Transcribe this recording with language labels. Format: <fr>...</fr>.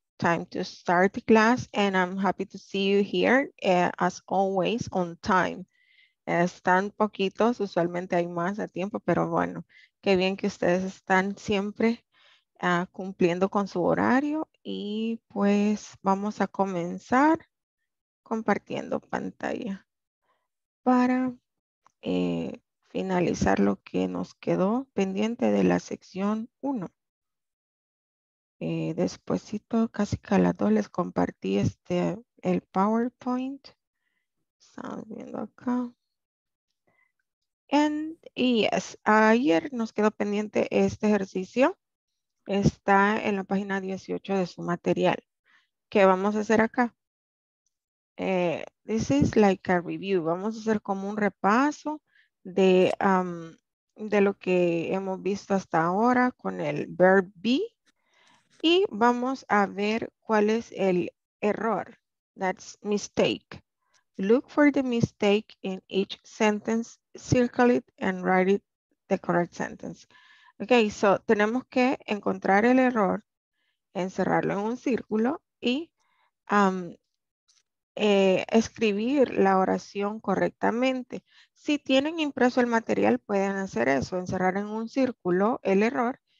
<en>Time to start the class, and I'm happy to see you here, as always, on time.</en> <es>Están poquitos, usualmente hay más a tiempo, pero bueno, qué bien que ustedes están siempre cumpliendo con su horario, y pues vamos a comenzar compartiendo pantalla para finalizar lo que nos quedó pendiente de la sección 1. Despuésito, casi que a las 2 les compartí el PowerPoint. Estamos viendo acá. Yes, ayer nos quedó pendiente este ejercicio. Está en la página 18 de su material. ¿Qué vamos a hacer acá?</es> <en>This is like a review.</en> <es>Vamos a hacer como un repaso de lo que hemos visto hasta ahora con el verb be. Y vamos a ver cuál es el error.</es> <en>That's mistake. Look for the mistake in each sentence, circle it, and write it the correct sentence. Okay, so</en> <es>tenemos que encontrar el error, encerrarlo en un círculo y escribir la oración correctamente. Si tienen impreso el material, pueden hacer eso, encerrar en un círculo el error.</es>